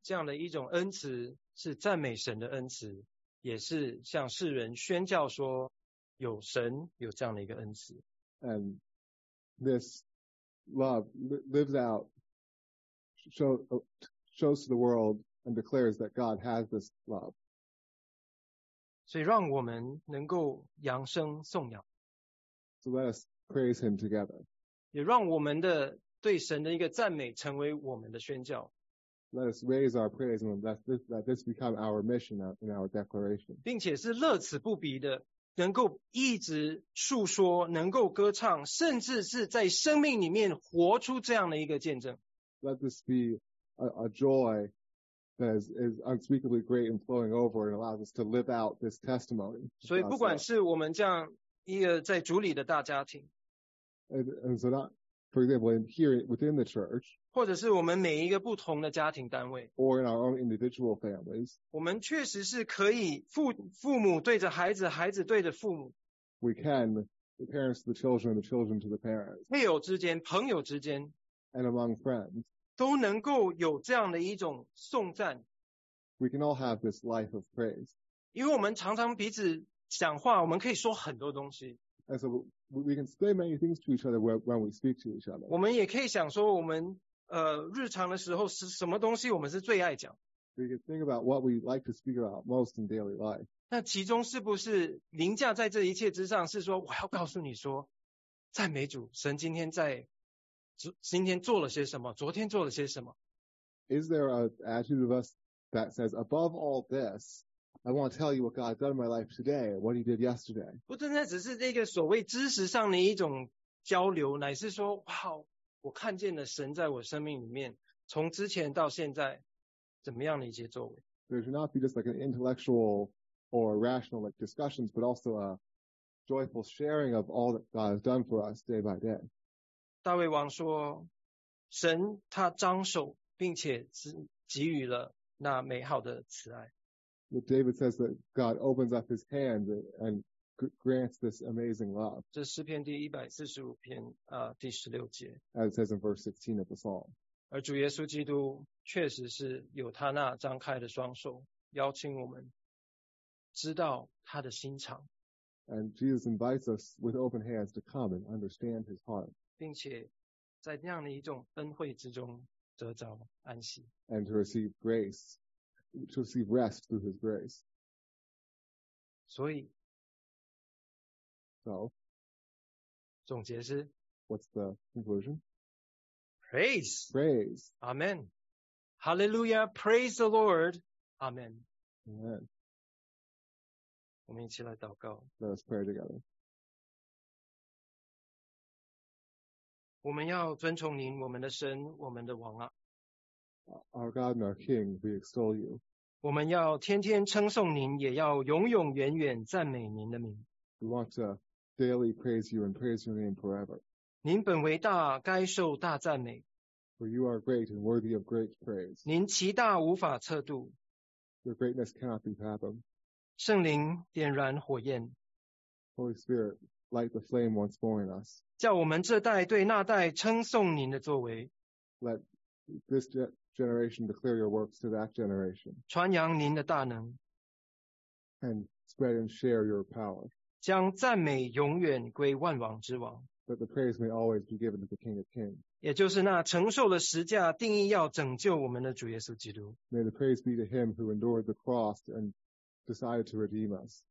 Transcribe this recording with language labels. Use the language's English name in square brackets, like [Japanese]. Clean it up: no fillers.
[Chinese] 这样的一种恩慈是赞美神的恩慈，也是向世人宣教说有神有这样的一个恩慈。 [English] And this love lives out, shows to the world and declares that God has this love. [Chinese] 所以让我们能够扬声颂扬。 [English] So let us praise him together. [Chinese] 也让我们的对神的一个赞美成为我们的宣教。 [English] Let us raise our praise and let this become our mission and our declaration. [Chinese] 并且是乐此不疲的，能够一直述说，能够歌唱，甚至是在生命里面活出这样的一个见证。 [English] Let this be a joy that is unspeakably great and flowing over and allows us to live out this testimony. [Chinese] 所以不管是我们这样一个在主里的大家庭。 [English] And so not,For example, here within the church, [Chinese] 或者是我们每一个不同的家庭单位 [English] or in our own individual families, [Chinese] 我们确实是可以父母对着孩子，孩子对着父母。 [English] We can, the parents to the children, the children to the parents. [Chinese] 配偶之间，朋友之间 [English] and among friends, [Chinese] 都能够有这样的一种颂赞。 [English] We can all have this life of praise. [Chinese] 因为我们常常彼此讲话，我们可以说很多东西。 [English] And so we can say many things to each other when we speak to each other. [Chinese] 我们也可以想说我们日常的时候是什么东西我们是最爱讲。 [English] We can think about what we like to speak about most in daily life. [Chinese] 那其中是不是凌驾在这一切之上，是说我要告诉你说，赞美主，神今天在今天做了些什么，昨天做了些什么。 [English] Is there an attitude of us that says, above all this, I want to tell you what God's done in my life today, what he did yesterday? [Chinese] 不单单只是这个所谓知识上的一种交流，乃是说，哇，我看见了神在我生命里面，从之前到现在，怎么样的一些作为。 [English] There should not be just like an intellectual or rational like discussions, but also a joyful sharing of all that God has done for us day by day. [Chinese] 大卫王说，神他张手并且给予了那美好的慈爱。 [English] David says that God opens up his hand and grants this amazing love. [Chinese] 这诗篇第145篇第16节。 [English] As it says in verse 16 of the Psalm. [Chinese] 而主耶稣基督确实是有他那张开的双手邀请我们知道他的心肠。 [English] And Jesus invites us with open hands to come and understand his heart. [Chinese] 并且在那样的一种恩惠之中得着安息。 [English] And to receive grace, to receive rest through his grace. [Chinese] 所以 [English] So, [Chinese] 总结是 [English] What's the conclusion? Praise. Praise. Amen. Hallelujah. Praise the Lord. Amen. Amen. [Chinese] 我们一起来祷告。 [English] Let us pray together. [Chinese] 我们要尊崇您，我们的神，我们的王啊。 [English] Our God and our King, we extol you. [Chinese] 我们要天天称颂您，也要永永远远赞美您的名。 [English] We want to daily praise you and praise your name forever. [Chinese] 您本为大，该受大赞美。 [English] For you are great and worthy of great praise. [Chinese] 您其大无法测度。 [English] Your greatness cannot be fathomed. [Chinese] 圣灵点燃火焰。 [English] Holy Spirit, light the flame once more in us. [Chinese] 叫我们这代对那代称颂您的作为。 [English] Let this generation declare your works to that generation. [Chinese] 传扬您的大能。 [English] And spread and share your power. [Chinese] 将赞美永远归万王之王。 [English] That the praise may always be given to the King of Kings. [Chinese] 也就是那承受了十架定义要拯救我们的主耶稣基督。 [English] May the praise be to him who endured the cross and decided to redeem us.